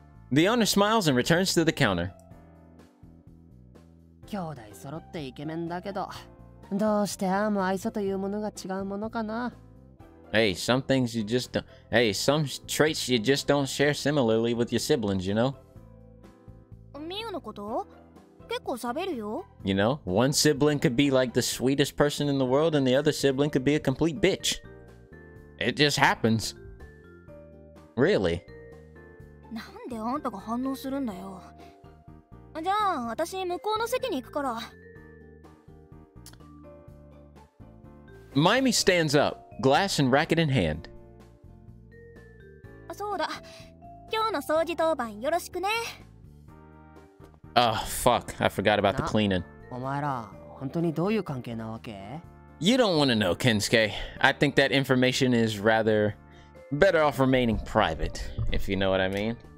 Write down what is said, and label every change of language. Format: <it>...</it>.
<en>The owner smiles and returns to the counter.</en> <ja>兄弟揃ってイケメンだけど、どうしてアーム愛想というものが違うものかな。</ja> <en>Hey, some things you just don't... Hey, some traits you just don't share similarly with your siblings, you know?</en> <ja>ミユのこと？結構喋るよ。</ja> <en>You know, one sibling could be like the sweetest person in the world and the other sibling could be a complete bitch. It just happens. Really?</en> <ja>なんであんたが反応するんだよ。じゃあ、私向こうの席に行くから。</ja> <en>マイミ stands up. Glass and racket in hand.</en> <ja>そうだ。今日の掃除当番よろしくね。</ja> <en>Oh, fuck. I forgot about the cleaning.</en> <ja>お前ら、本当にどういう関係なわけ?</ja> <en>You don't want to know, Kensuke. I think that information is rather better off remaining private, if you know what I mean.</en>